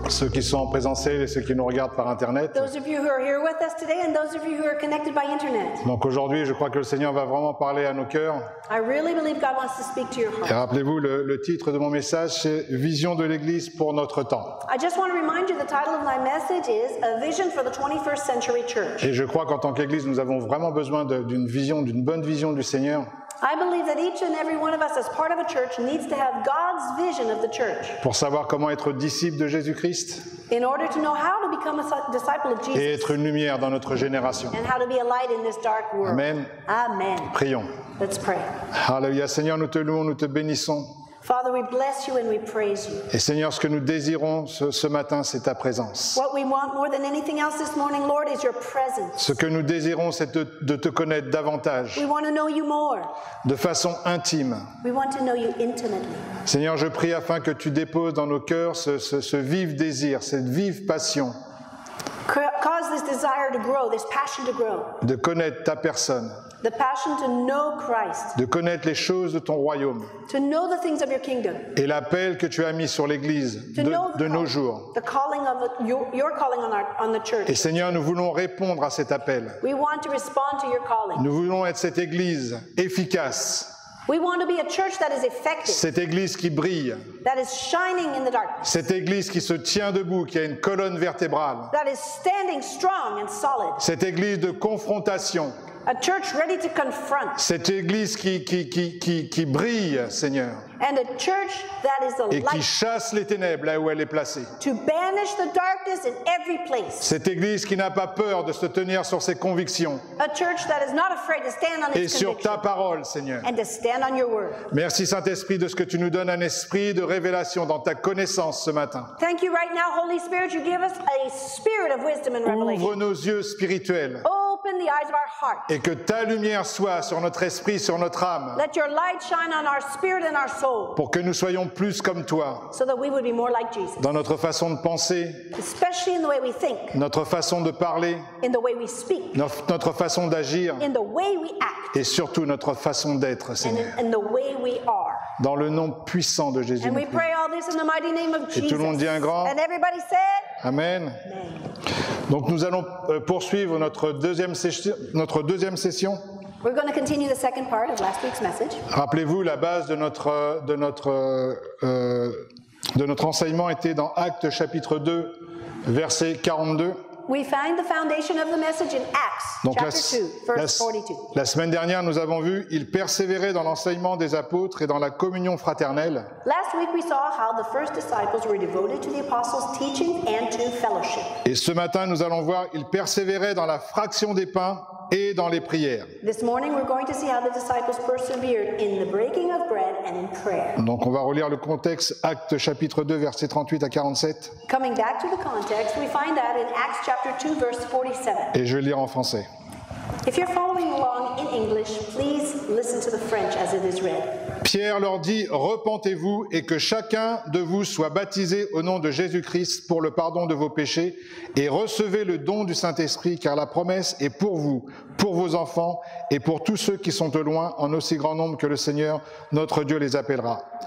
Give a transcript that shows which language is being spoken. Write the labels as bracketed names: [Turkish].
[French] Ceux qui sont en présentiel et ceux qui nous regardent par Internet. [English] Those of you who are here with us today and those of you who are connected by Internet. [French] Donc aujourd'hui, je crois que le Seigneur va vraiment parler à nos cœurs. [English] I really believe God wants to speak to your heart. [French] Et rappelez-vous, le titre de mon message, c'est « Vision de l'Église pour notre temps ». [English] I just want to remind you the title of my message is « A Vision for the 21st Century Church ». [French] Et je crois qu'en tant qu'Église, nous avons vraiment besoin d'une vision, d'une bonne vision du Seigneur. [English] I believe that each and every one of us as part of a church needs to have God's vision of the church. [French] Pour savoir comment être disciple de Jésus-Christ. [English] In order to know how to become a disciple of Jesus. [French] Et être une lumière dans notre génération. [English] And how to be a light in this dark world. [French] Amen. [English] Amen. [French] Prions. [English] Let's pray. [French] Hallelujah, Seigneur, nous te louons, nous te bénissons. [English] Father, we bless you and we praise you. [French] Et Seigneur, ce que nous désirons ce matin, c'est ta présence. [English] What we want more than anything else this morning, Lord, is your presence. [French] Ce que nous désirons, c'est de te connaître davantage. [English] We want to know you more. [French] De façon intime. [English] We want to know you intimately. [French] Seigneur, je prie afin que tu déposes dans nos cœurs ce vif désir, cette vive passion. [English] Cause this desire to grow, this passion to grow. [French] De connaître ta personne. [English] The passion to know Christ. [French] De connaître les choses de ton royaume. [English] To know the things of your kingdom. [French] Et l'appel que tu as mis sur l'Église de nos jours. [English] The calling of your calling on the church. [French] Et Seigneur, nous voulons répondre à cet appel. [English] We want to respond to your calling. [French] Nous voulons être cette Église efficace. [English] We want to be a church that is effective. [French] Cette Église qui brille. [English] That is shining in the darkness. [French] Cette Église qui se tient debout, qui a une colonne vertébrale. [English] That is standing strong and solid. [French] Cette Église de confrontation. [English] A church ready to confront. [French] Cette Église qui brille, Seigneur. [English] And a church that is a light. [French] Et qui chasse les ténèbres là où elle est placée. [English] To banish the darkness in every place. [French] Cette Église qui n'a pas peur de se tenir sur ses convictions. [English] A church that is not afraid to stand on its [French] Et sur ta parole, Seigneur. [English] And to stand on your word. [French] Merci, Saint-Esprit, de ce que tu nous donnes un esprit de révélation dans ta connaissance ce matin. [English] Thank you right now, Holy Spirit, you give us a spirit of wisdom and revelation. [French] Ouvre nos yeux spirituels. [English] Oh, open the eyes of our heart. [French] Et que ta lumière soit sur notre esprit, sur notre âme. [English] Let your light shine on our spirit and our soul. [French] Pour que nous soyons plus comme toi. [English] So that we would be more like Jesus. [French] Dans notre façon de penser. [English] Especially in the way we think. [French] Notre façon de parler. [English] In the way we speak. [French] Notre façon d'agir. [English] In the way we act. [French] Et surtout notre façon d'être, Seigneur. [English] In the way we are. [French] Dans le nom puissant de Jésus. [English] And we pray all this in the mighty name of Jesus. [French] Et tout le monde dit un grand. [English] And everybody said. [French] Amen. Donc nous allons poursuivre notre deuxième session. [English] We're going to continue the second part of last week's message. [French] Rappelez-vous, la base de notre enseignement était dans Actes chapitre 2, verset 42. [English] We find the foundation of the message in Acts [French] Donc [English] chapter 2, verse 42. [French] La semaine dernière, nous avons vu ils persévéraient dans l'enseignement des apôtres et dans la communion fraternelle. [English] Last week we saw how the first disciples were devoted to the apostles' teaching and to fellowship. [French] Et ce matin, nous allons voir ils persévéraient dans la fraction des pains et dans les prières. [English] This morning we're going to see how the disciples persevered in the breaking of bread and in prayer. [French] Donc on va relire le contexte, Actes chapitre 2, versets 38 à 47. [English] Coming back to the context, we find that in Acts chapter 2, verse 47. [French] Et je vais lire en français. [English] If you're following along in English, please listen to the French as it is read. [French] Pierre leur dit, repentez-vous et que chacun de vous soit baptisé au nom de Jésus-Christ pour le pardon de vos péchés et recevez le don du Saint-Esprit car la promesse est pour vous, pour vos enfants et pour tous ceux qui sont de loin en aussi grand nombre que le Seigneur, notre Dieu, les appellera.